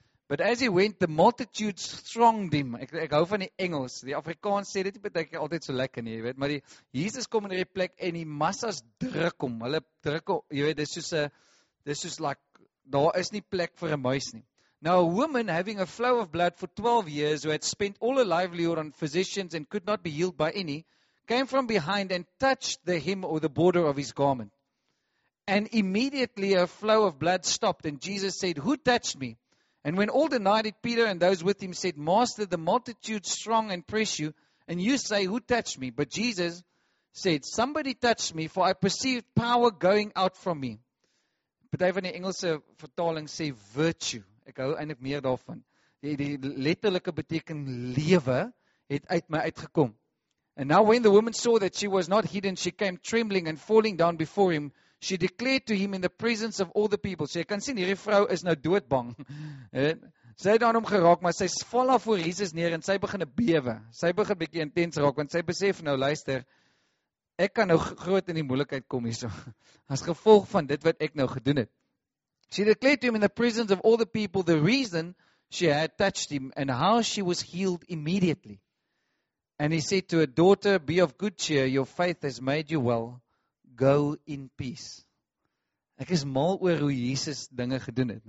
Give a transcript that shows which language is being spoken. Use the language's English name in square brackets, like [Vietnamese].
[English] But as he went, the multitude thronged him. [Afrikaans] Ek hou van die Engels. Die Afrikaans sê dit nie baie keer altyd so lekker nie, jy weet, maar die Jesus kom in hierdie plek en die massas druk hom. Hulle druk hom, jy weet, dis soos like daar is nie plek vir 'n muis nie. [English] Now a woman having a flow of blood for 12 years who had spent all her livelihood on physicians and could not be healed by any came from behind and touched the hem or the border of his garment. And immediately her flow of blood stopped and Jesus said, who touched me? And when all denied it, Peter and those with him said, Master, the multitude strong and press you, and you say, who touched me? But Jesus said, somebody touched me, for I perceived power going out from me. [Afrikaans] Party van die Engelse vertaling sê virtue. Ek hou eintlik meer daarvan. Die letterlike beteken lewe het uit my uitgekom. [English] And now when the woman saw that she was not hidden, she came trembling and falling down before him. She declared to him in the presence of all the people. [Afrikaans] So jy kan sien, hierdie vrou is nou doodbang. Sy het aan hom geraak, maar sy val af voor Jesus neer en sy begin bewe. Sy begin bietjie intens raak, want sy besef nou, luister, ek kan nou groot in die moeilikheid kom hierso. As gevolg van dit wat ek nou gedoen het. [English] She declared to him in the presence of all the people the reason she had touched him and how she was healed immediately. And he said to her, daughter, be of good cheer, your faith has made you well. Go in peace. [Afrikaans] Ek is mal oor hoe Jesus dinge gedoen het.